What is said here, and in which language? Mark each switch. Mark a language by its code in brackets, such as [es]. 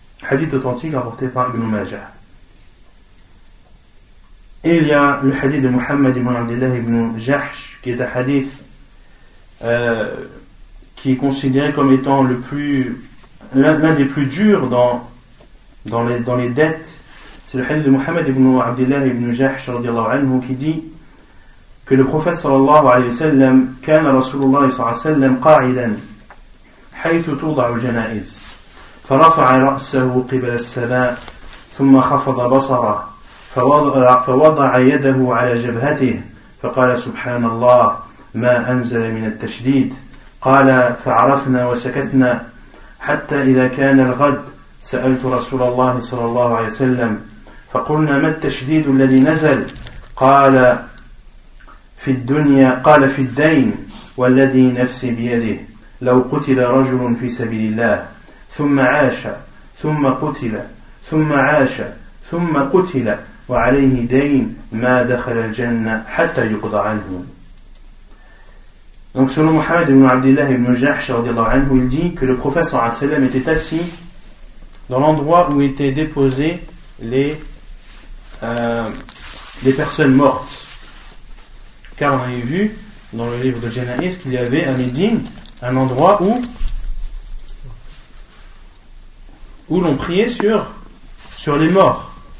[fr] Hadith authentique rapporté par Ibn Majah. Et il y a le hadith de Muhammad ibn Abdullah ibn Jahsh, qui est un hadith qui est considéré comme étant l'un des plus durs dans les dettes. C'est le hadith de Muhammad ibn Abdullah ibn Jahsh radiallahu anhu qui dit que le prophète sallallahu alayhi wa sallam [ar] كان رسول الله صلى الله عليه وسلم قاعدا حيث توضع الجنائز فرفع رأسه قبل السماء ثم خفض بصره فوضع يده على جبهته فقال سبحان الله ما أنزل من التشديد قال فعرفنا وسكتنا حتى إذا كان الغد سألت رسول الله صلى الله عليه وسلم فقلنا ما التشديد الذي نزل قال في الدين والذي نفسي بيده لو قتل رجل في سبيل الله ثم عاش ثم قتل ثم عاش ثم قتل وعليه دين ما دخل الجنة حتى يقضى عنه. [fr] Donc selon Muhammad ibn Abdullah ibn Jahsh [ar] رضي الله عنه, [fr] il dit que le prophète [ar] صلى الله عليه وسلم [fr] était assis dans l'endroit où étaient déposées les personnes mortes. Car on avait vu dans le livre de Genaïs qu'il y avait à Médine un endroit où l'on priait sur les morts.